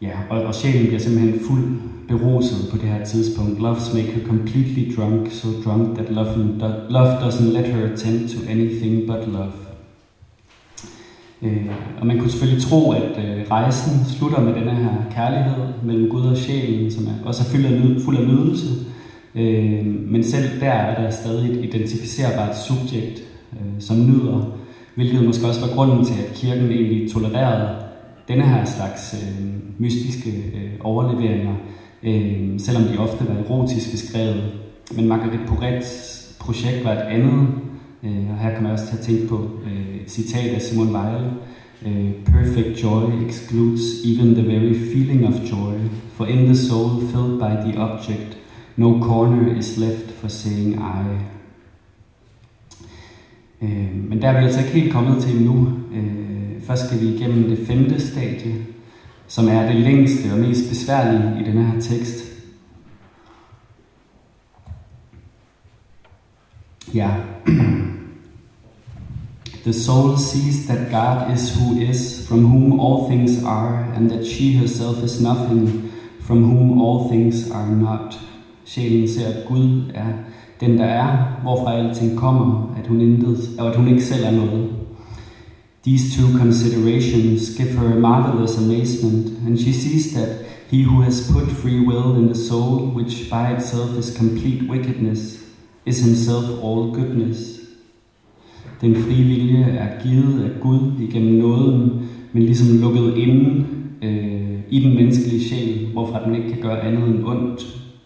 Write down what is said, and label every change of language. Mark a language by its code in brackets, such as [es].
[da] Og sjælen bliver simpelthen fuld beruset på det her tidspunkt. [en] Loves make her completely drunk, so drunk that love doesn't let her attend to anything but love. [da] Og man kunne selvfølgelig tro, at rejsen slutter med denne her kærlighed mellem Gud og sjælen, som også er fuld af nydelse. Men selv der er der stadig et identificerbart subjekt, som nyder, hvilket måske også var grunden til, at kirken egentlig tolererede denne her slags mystiske overleveringer, selvom de ofte var erotiske skrevet. Men Margaret Porrets projekt var et andet, og her kan man også tænke på et citat af Simone Weil. [en] Perfect joy excludes even the very feeling of joy, for in the soul filled by the object, no corner is left for saying I. [da] Men der er vi altså ikke helt kommet til endnu. Først skal vi igennem det femte stadie, som er det længste og mest besværlige i denne her tekst. Ja. [en] The soul sees that God is who is, from whom all things are, and that she herself is nothing, from whom all things are not. [da] Sjælen ser, at Gud er den, der er, hvorfra alting kommer, at hun ikke selv er noget. [en] These two considerations give her a marvelous amazement, and she sees that he who has put free will in the soul, which by itself is complete wickedness, is himself all goodness. [da] Den frie vilje er givet af Gud igennem nåden, men ligesom lukket ind i den menneskelige sjæl, hvorfra den ikke kan gøre andet end ondt.